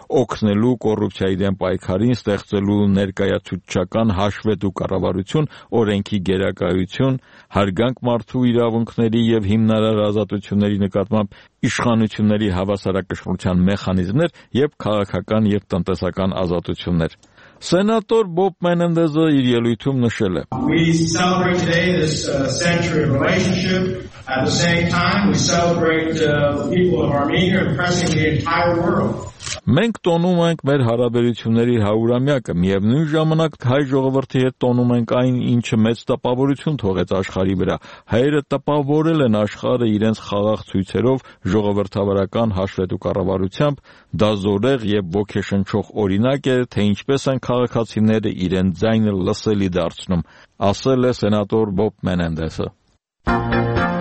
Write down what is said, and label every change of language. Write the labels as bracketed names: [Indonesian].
[Armenian] օգնելու կոռուպցիայի դեմ պայքարին, ստեղծելու ներկայացուցչական հաշվետու կառավարություն, օրենքի գերակայություն, հարգանք մարդու իրավունքների և հիմնարար ազատությունների նկատմամբ իշխանությունների հավասարակշռության մեխանիզմներ և քաղաքական և տնտեսական ազատություններ։ Սենատոր Բոբ Մենենդեզը իր ելույթում նշել է. [English] We celebrate today this century of relationship. At the same time, we celebrate the people of Armenia impressing the entire world. [Armenian] Մենք տոնում ենք մեր հարաբերությունների 100-ամյակը, միևնույն ժամանակ հայ ժողովրդի հետ տոնում ենք այն, ինչը մեծ տպավորություն թողեց աշխարհի վրա. Հայերը տպավորել են աշխարհը իրենց խաղաղ ցույցերով, ժողովրդավարական հաշվետու կառավարությամբ, դաշնորեղ և ոգեշնչող օրինակ է, թե ինչպես են քաղաքացիները իրեն ձայնը լսելի դարձնում, ասել է սենատոր Բոբ Մենենդեսը։